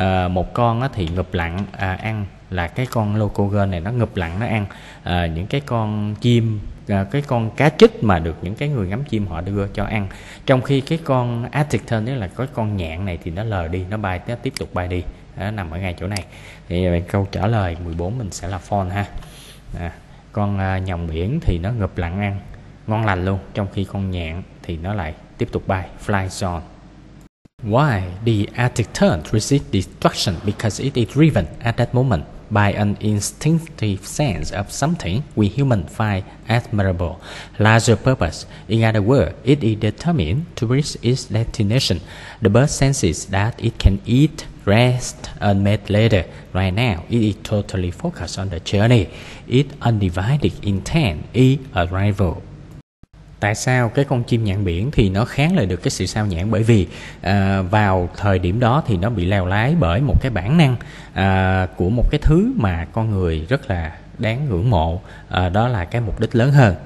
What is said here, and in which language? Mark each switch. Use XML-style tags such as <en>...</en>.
<vi>Một con á, thì ngụp lặn ăn, là cái con locogon này nó ngụp lặn nó ăn những cái con chim, cái con cá trích mà được những cái người ngắm chim họ đưa cho ăn, trong khi cái con Arctic Tern, là cái con nhạn này, thì nó lờ đi, nó bay, nó tiếp tục bay đi, nó nằm ở ngay chỗ này. Thì câu trả lời 14 mình sẽ là phone ha. Con nhồng biển thì nó ngụp lặn ăn ngon lành luôn, trong khi con nhạn thì nó lại tiếp tục bay,</vi> <en>fly on. Why the Arctic Tern resists destruction? Because it is driven at that moment by an instinctive sense of something we humans find admirable, larger purpose. In other words, it is determined to reach its destination. The bird senses that it can eat, rest, and mate later. Right now, it is totally focused on the journey. Its undivided intent is arrival.</en> <vi>Tại sao cái con chim nhạn biển thì nó kháng lại được cái sự sao nhãng? Bởi vì vào thời điểm đó thì nó bị lèo lái bởi một cái bản năng của một cái thứ mà con người rất là đáng ngưỡng mộ, đó là cái mục đích lớn hơn.</vi>